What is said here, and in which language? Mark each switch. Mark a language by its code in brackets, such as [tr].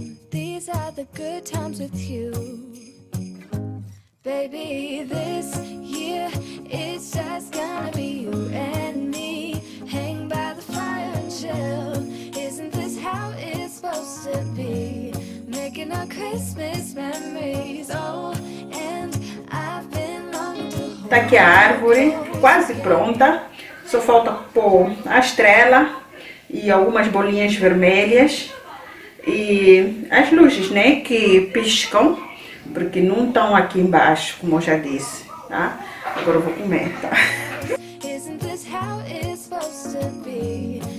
[en] These are the good times with you. Baby, this year it's just gonna be you and me. Hang by the fire and chill. Isn't this how it's supposed to be? Making our Christmas memories. Oh, and I've been longing to hold. [pt] Tá aqui a árvore, quase pronta. Só falta pôr a estrela e algumas bolinhas vermelhas. E as luzes, né, que piscam, porque não estão aqui embaixo, como eu já disse, tá? Agora eu vou comer, tá? [en] Isn't this how it's supposed to be?